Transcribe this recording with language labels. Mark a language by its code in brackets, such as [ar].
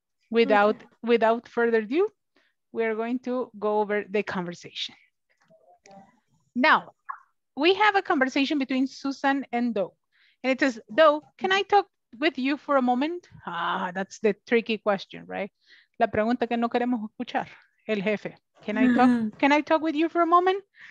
[en] Without further ado, we are going to go over the conversation. Now, we have a conversation between Susan and Doug. And it says, Doug, can I talk with you for a moment? Ah, that's the tricky question, right? [es] La pregunta que no queremos escuchar, el jefe. [en] Can I talk with you for a moment?